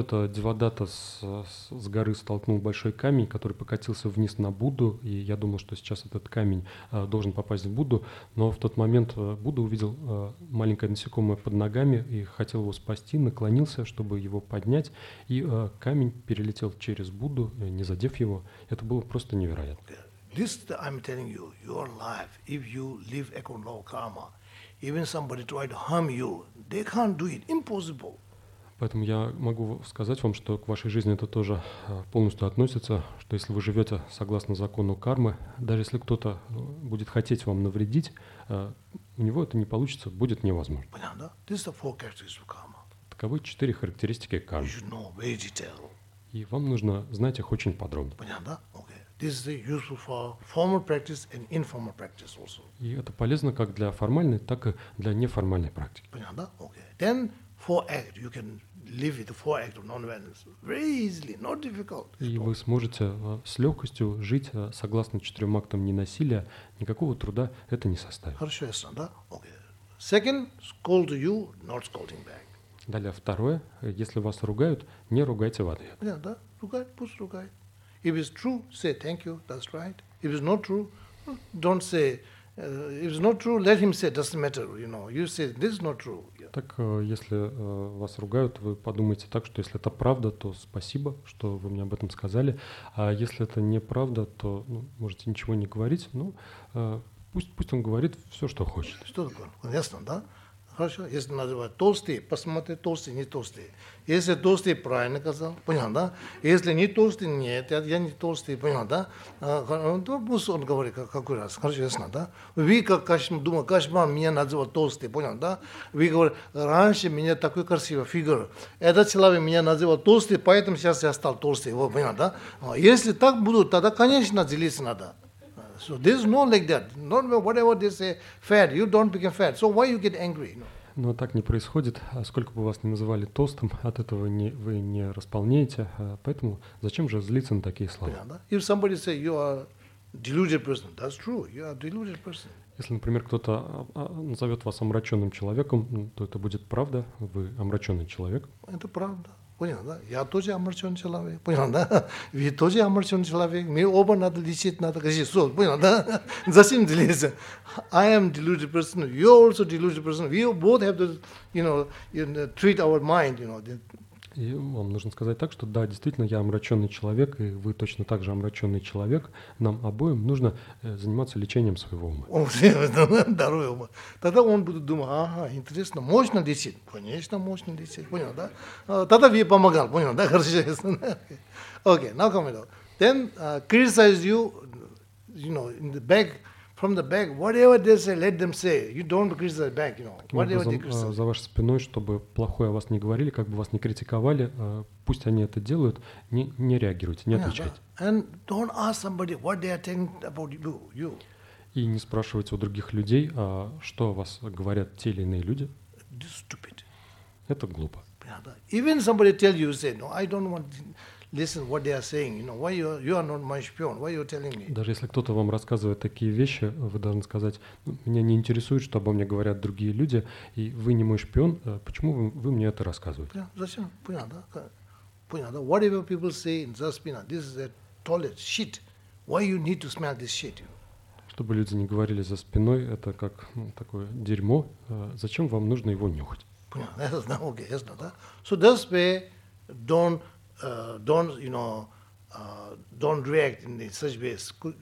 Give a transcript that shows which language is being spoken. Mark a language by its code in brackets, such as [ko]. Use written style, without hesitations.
[ru] Это Девадатта с горы столкнул большой камень, который покатился вниз на Будду, и я думал, что сейчас этот камень должен попасть в Будду, но в тот момент Будда увидел маленькое насекомое под ногами и хотел его спасти, наклонился, чтобы его поднять, и камень перелетел через Будду, не задев его. Это было просто невероятно. [en] This I'm telling you, your life, if you live according to karma, even somebody try to harm you, they can't do it. Impossible. [ru] Поэтому я могу сказать вам, что к вашей жизни это тоже полностью относится, что если вы живете согласно закону кармы, даже если кто-то будет хотеть вам навредить, у него это не получится, будет невозможно. Понятно, да? [en] This is the four characteristics of karma. [ru] Таковы четыре характеристики кармы. [en] You should know very detail. [ru] И вам нужно знать их очень подробно. Понятно, да? Okay. [en] This is useful for formal practice and informal practice also. [ru] И это полезно как для формальной, так и для неформальной практики. Понятно, да? Okay. [en] Then four act, you can live with the four act of non-violence very easily, not difficult. [ru] И вы сможете с легкостью жить согласно четырем актам ненасилия, никакого труда это не составит. Хорошо, ясно, да? [en] Okay. Second, scold you, not scolding back. [ru] Далее второе, если вас ругают, не ругайте в ответ. Понятно, да? Ругай, пусть ругает. [en] If it's true, say thank you, that's right. If it's not true, don't say, if it's not true, let him say, doesn't matter, you know. You say, this is not true. Yeah. [ru] Так, если вас ругают, вы подумайте так, что если это правда, то спасибо, что вы мне об этом сказали. А если это неправда, то ну, можете ничего не говорить. Ну, пусть он говорит все, что хочет. Что такое? Ясно, да? Хорошо. Если называют толстый, посмотри, толстый, не толстый. Если толстый, правильно сказал, понятно, да? Если не толстый, нет, я не толстый, понятно, да? Пусть он говорит, какой раз, хорошо, ясно, да? Вы, как Кашман, думаете, Кашман меня называл толстый, понятно, да? Вы говорите, раньше меня такой красивый фигур. Этот человек меня называл толстый, поэтому сейчас я стал толстый, вот, понятно, да? Если так будут, тогда, конечно, делиться надо. [en] So there's no like that. No, whatever they say, fat, you don't become fat. So why you get angry? No. [ru] Но так не происходит. Сколько бы вас ни называли толстым, от этого вы не располнеете. Поэтому зачем же злиться на такие слова? Понятно, да? [en] If somebody say you are deluded person, that's true. You are deluded person. [ru] Если, например, кто-то назовет вас омраченным человеком, то это будет правда. Вы омраченный человек. Это правда. Понятно, да? Я тоже омрачен человек. Понятно, да? Вы тоже омрачен человек. Мы оба надо лечить, надо говорить. Все, понятно, да? Зачем делиться? [en] I am deluded person. You also deluded person. We both have to, you know, treat our mind, you know. [ru] И вам нужно сказать так, что да, действительно, я омраченный человек, и вы точно так же омраченный человек. Нам обоим нужно заниматься лечением своего ума. О, здоровый ума. Тогда он будет думать, ага, интересно, можно лечить? Конечно, можно лечить, понял, да? Тогда вы помогал, понял, да, хорошо, ясно. [en] Окей, now come along. Then criticize you, you know, in the back. From the back, whatever they say, let them say. You don't criticize the back, you know. Whatever they criticize. [ru] За вашей спиной, чтобы плохое о вас не говорили, как бы вас не критиковали, пусть они это делают, не реагируйте, не отвечайте. [en] And don't ask somebody what they are saying about you. [ru] И не спрашивайте у других людей, что о вас говорят те или иные люди. [en] This is stupid. [ru] Это глупо. [en] Even somebody tell you, say, no, I don't want to listen what they are saying. You know, why you are not my spion? Why you telling me? [ru] Даже если кто-то вам рассказывает такие вещи, вы должны сказать, меня не интересует, что обо мне говорят другие люди, и вы не мой шпион, почему вы мне это рассказываете? Зачем? Понятно, да? [en] Whatever people say in the spina, this is a toilet, shit. Why you need to smell this shit? [ru] Чтобы люди не говорили за спиной, это как такое дерьмо, зачем вам нужно его нюхать? Понятно, окей, ясно, да? [en] So that's why don't react in such ways.